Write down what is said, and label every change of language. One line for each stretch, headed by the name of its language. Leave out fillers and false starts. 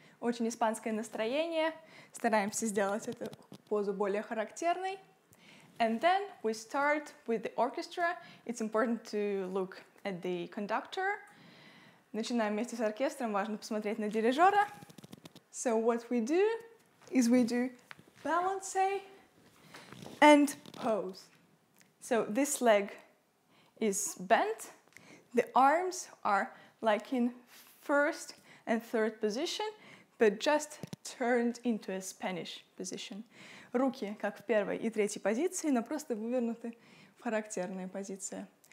Russian: Очень испанское настроение. Стараемся сделать эту позу более характерной.
English: And then we start with the orchestra. It's important to look at the conductor.
Russian: Начинаем вместе с оркестром. Важно посмотреть на дирижера.
English: So what we do is we do balance and pose. So this leg is bent. The arms are like in first and third position, but just turned into a Spanish position.
Russian: Руки как в первой и третьей позиции, но просто вывернуты в характерную позицию.